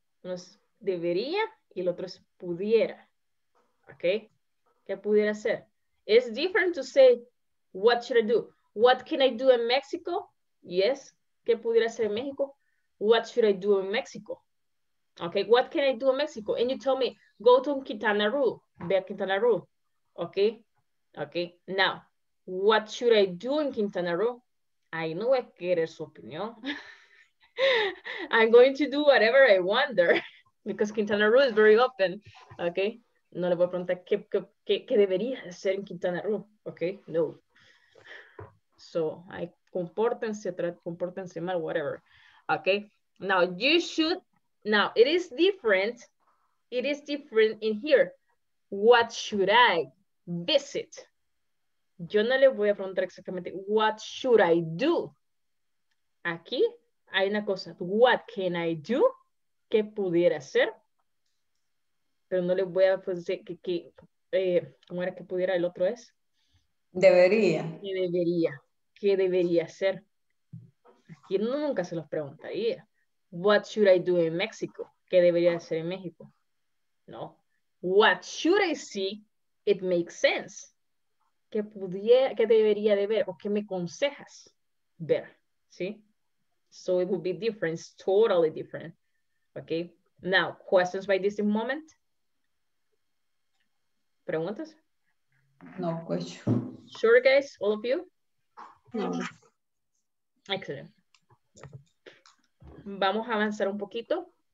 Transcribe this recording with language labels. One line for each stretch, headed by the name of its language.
Spanish: Uno es debería y el otro es pudiera. Okay. ¿Qué pudiera hacer?
English: It's different to say, what should I do? What can I do in Mexico? Yes.
Spanish: ¿Qué pudiera hacer en México?
English: What should I do in Mexico? Okay. What can I do in Mexico? And you tell me, go to Quintana Roo.
Spanish: Ve a Quintana Roo.
English: Okay. Okay, now, what should I do in Quintana Roo? I know I get his opinion. I'm going to do whatever I want there because Quintana Roo is very open.
Spanish: Okay, no le voy a preguntar qué debería hacer en Quintana Roo. Okay, no. So, I comportense mal, whatever.
English: Okay, now you should, now it is different. It is different in here. What should I visit?
Spanish: Yo no le voy a preguntar exactamente,
English: what should I do?
Spanish: Aquí hay una cosa,
English: what can I do?
Spanish: ¿Qué pudiera hacer? Pero no le voy a decir ¿cómo era que pudiera el otro es? Debería. ¿Qué debería? ¿Qué debería hacer? Aquí no, nunca se los preguntaría.
English: What should I do in Mexico?
Spanish: ¿Qué debería hacer en México? No.
English: What should I see? It makes sense.
Spanish: que pudiera, que debería de ver, o que me aconsejas ver, ¿sí?
English: So it would be different, it's totally different, okay? Now, questions by this moment?
Spanish: ¿Preguntas?
English: No question. Sure, guys, all of you? No. Excellent.
Spanish: Vamos a avanzar un poquito.